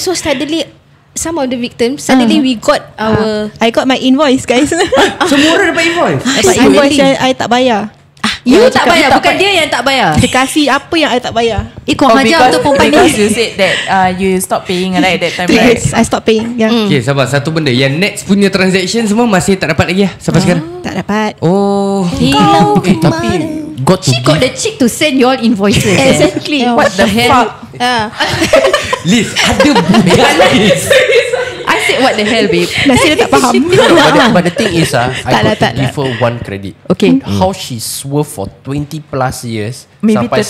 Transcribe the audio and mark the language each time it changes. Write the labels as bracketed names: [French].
[English] So suddenly some of the victims suddenly we got our I got my invoice guys. [Malay] Semua orang dapat invoice. Dapat invoice I tak bayar. You tak bayar, bukan dia yang tak bayar. Dia kasi apa yang I tak bayar. Eh, kurang ajar untuk perempuan ni. [English] Because you said that you stop paying right at that time, right? Yes, I stop paying. [Malay] Okay, sabar. Satu benda, yang next punya transaction semua masih tak dapat lagi lah sampai sekarang. Tak dapat. Oh, kau tapi [English] got she got the cheek to send you all invoices. Exactly. What the hell? Yeah. [Malay] Liz, ada budak Liz. [English] I said what the hell, babe. [Malay] Nasi dia tak faham. [English] But the thing is, I got to give her one credit. Okay. How she swerve for 20 plus years. Maybe [Malay] sampai 30.